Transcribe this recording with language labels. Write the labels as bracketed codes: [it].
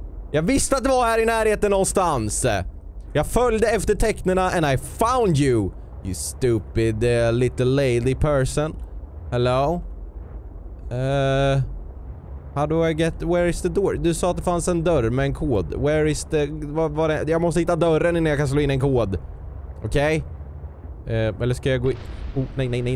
[sv] Jag visste att det var här i närheten någonstans. Jag följde efter tecknena [en] and I found you. You stupid little lady person. Hello? How do I get... Where is the door? [sv] Du sa att det fanns en dörr med en kod. [en] Where is the... [sv] Var det? Jag måste hitta dörren innan jag kan slå in en kod. Okej? Eller ska jag gå... Nej.